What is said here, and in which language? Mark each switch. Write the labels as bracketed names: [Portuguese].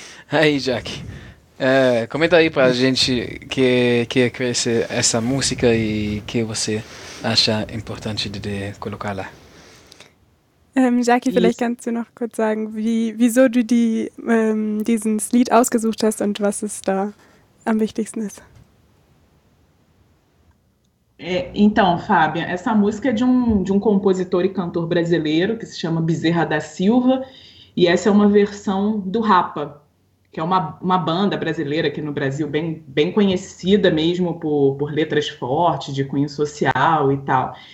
[Portuguese] Aí, Jack, comenta aí pra gente que conhece essa música e que você acha importante de colocá-la. [German] Jack, vielleicht kannst du noch kurz sagen, wieso du dieses Lied ausgesucht hast und was es da am wichtigsten ist. [Portuguese] Então, Fábio, essa música é de um compositor e cantor brasileiro que se chama Bezerra da Silva, e essa é uma versão do Rapa, que é uma banda brasileira aqui no Brasil, bem, bem conhecida mesmo por letras fortes, de cunho social e tal.